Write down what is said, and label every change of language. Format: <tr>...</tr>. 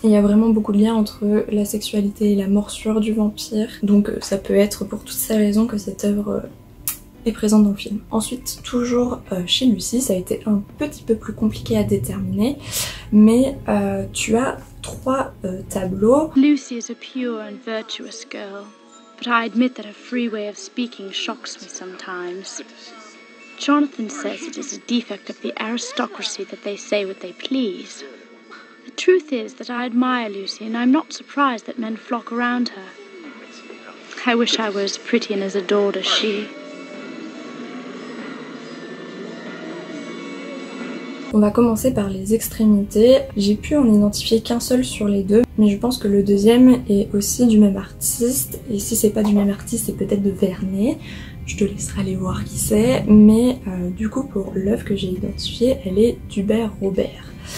<fr>Il y a vraiment beaucoup de liens entre la sexualité et la morsure du vampire, donc ça peut être pour toutes ces raisons que cette œuvre est présente dans le film. Ensuite, toujours chez Lucy, ça a été un petit peu plus compliqué à déterminer, mais tu as trois tableaux.</fr> <en>Lucy is a pure and virtuous girl. But I admit that a free way of speaking shocks me sometimes. Jonathan says it is a defect of the aristocracy that they say what they please. The truth is that I admire Lucy, and I'm not surprised that men flock around her. I wish I were as pretty and as adored as she.</en> <fr>On va commencer par les extrémités. J'ai pu en identifier qu'un seul sur les deux, mais je pense que le deuxième est aussi du même artiste. Et si c'est pas du même artiste, c'est peut-être de Vernet. Je te laisserai aller voir qui c'est. Mais du coup, pour l'œuvre que j'ai identifiée, elle est d'Hubert Robert.</fr>